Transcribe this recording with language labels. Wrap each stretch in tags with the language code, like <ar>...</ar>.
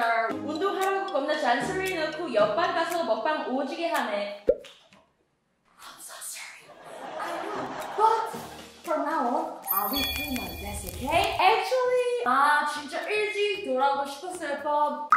<ko>운동하라고 겁나 잔소리 넣고 옆방 가서 먹방 오지게 하네.</ko> <en>I'm so sorry. I know. But from now on, I'll be doing my best, okay?</en> <ko>Actually, 아 진짜 일찍 돌아오고 싶었을 법.</ko>